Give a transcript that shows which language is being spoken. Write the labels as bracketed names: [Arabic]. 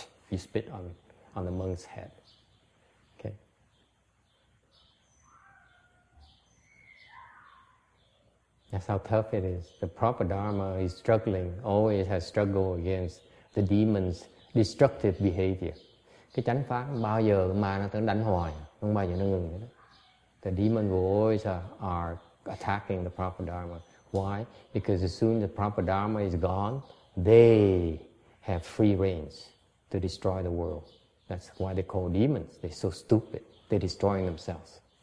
[English] You spit on the monk's head. Okay. That's how tough it is. The proper dharma is struggling, always has struggled against the demon's destructive behavior. [Vietnamese] Cái chánh pháp bao giờ mà nó tưởng đánh hoài, không bao giờ nó ngừng hết. [English] The demon will always are attacking the proper dharma. Why? Because as soon as the proper dharma is gone, they have free reigns to destroy the world. That's why they call demons. They're so stupid. They're destroying themselves.